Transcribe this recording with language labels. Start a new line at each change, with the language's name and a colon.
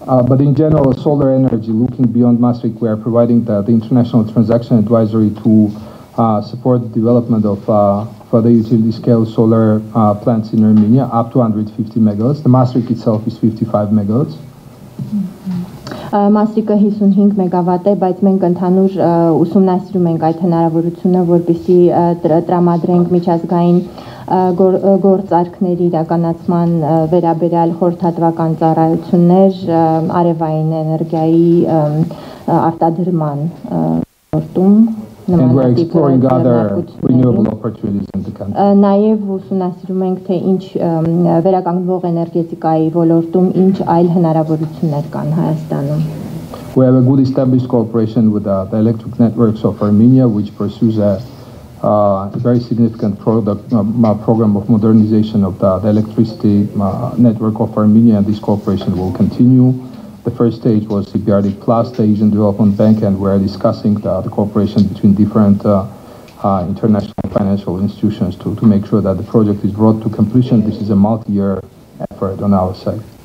English: But in general, solar energy, looking beyond Maastricht, we are providing the international transaction advisory to support the development of further utility scale solar plants in Armenia, up to 150 megawatts. The Maastricht itself is 55 megawatts.
Armenian: Մասրիկը 55 մեգավատ է, բայց մենք ընդհանուր ուսումնասիրում ենք այդ հնարավորությունը, որպեսզի տրամադրենք միջազգային գործարքների իրականացման վերաբերյալ խորհրդատվական ծառայություններ արևային էներգիայի արտադրման ոլորտում.
English: And we're exploring other renewable opportunities in the country.
Armenian: Նաև ուսումնասիրում ենք, թե ինչ վերականգնվող էներգետիկայի ոլորտում ինչ այլ հնարավորություններ կան Հայաստանում.
English: We have a good established cooperation with the electric networks of Armenia, which pursues a very significant program of modernization of the electricity network of Armenia, and this cooperation will continue. The first stage was CBRD Plus, the Asian Development Bank, and we are discussing the cooperation between different international financial institutions to make sure that the project is brought to completion. This is a multi-year effort on our side.